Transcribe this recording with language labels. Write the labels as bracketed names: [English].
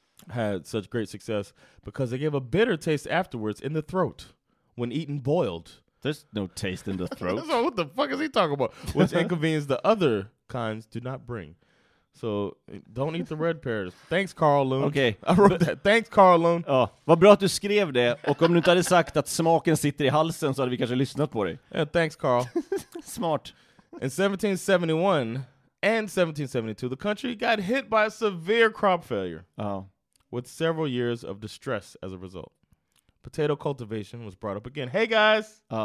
[English] Had such great success because they gave a bitter taste afterwards in the throat when eaten boiled. There's no taste in the throat. So what the fuck is he talking about? Which inconvenience the other kinds do not bring. So don't eat the red pears. Thanks, Carl Lund. Okay. I wrote that. Thanks, Carl Lund. [Swedish] Ja, vad bra att du skrev det. Och om du inte hade sagt att smaken sitter i halsen så hade vi kanske lyssnat på dig. [English] Yeah, thanks, Carl. Smart. In 1771 and 1772, the country got hit by a severe crop failure. Oh. With several years of distress as a result. Potato cultivation was brought up again. Hey guys.